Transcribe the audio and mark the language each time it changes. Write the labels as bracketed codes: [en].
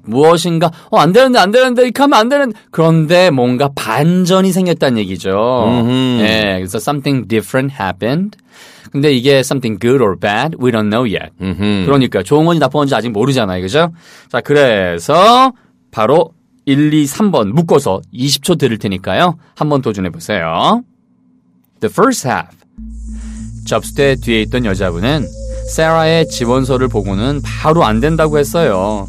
[ko] 무엇인가 어, 안 되는데 안 되는데 이렇게 하면 안 되는 그런데 뭔가 반전이 생겼다는 얘기죠. 예, 그래서 [en] something different happened. [ko] 근데 이게 [en] something good or bad, we don't know yet. [ko] 그러니까 좋은 건지 나쁜 건지 아직 모르잖아요. 그죠? 자, 그래서 바로 1, 2, 3번 묶어서 20초 들을 테니까요. 한번 도전해 보세요. [en] The first half. [ko] 접수대 뒤에 있던 여자분은 세라의 지원서를 보고는 바로 안 된다고 했어요.